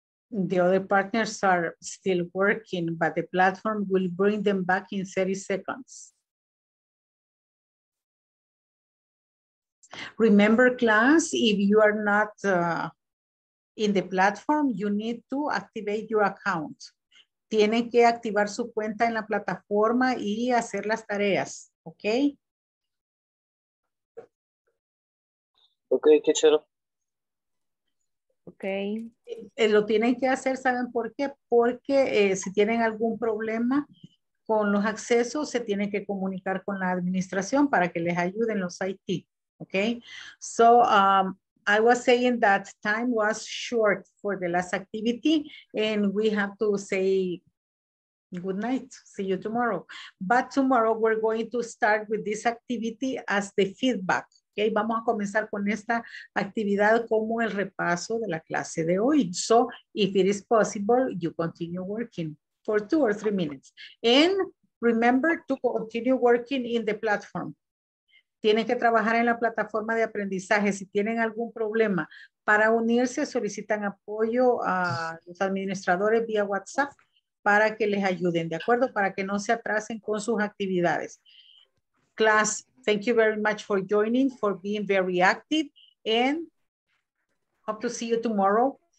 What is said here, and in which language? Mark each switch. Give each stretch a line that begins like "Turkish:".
English: The other partners are still working, but the platform will bring them back in 30 seconds. Remember, class, if you are not in the platform, you need to activate your account.
Spanish: Tienen que activar su cuenta en la plataforma y hacer las tareas, okay?
English: Okay, teacher. Okay.
Spanish: Lo tienen que hacer, ¿saben por qué? Porque si tienen algún problema con los accesos, se tienen que comunicar con la administración para que les ayuden los IT.
English: Okay. So I was saying that time was short for the last activity, and we have to say good night. See you tomorrow. But tomorrow we're going to start with this activity as the feedback.
Spanish: Okay, vamos a comenzar con esta actividad como el repaso de la clase de hoy.
English: So, if it is possible, you continue working for 2 or 3 minutes. And remember to continue working in the platform.
Spanish: Tienen que trabajar en la plataforma de aprendizaje. Si tienen algún problema para unirse, solicitan apoyo a los administradores vía WhatsApp para que les ayuden, ¿de acuerdo? Para que no se atrasen con sus actividades.
English: Class. Thank you very much for joining, for being very active, and hope to see you tomorrow.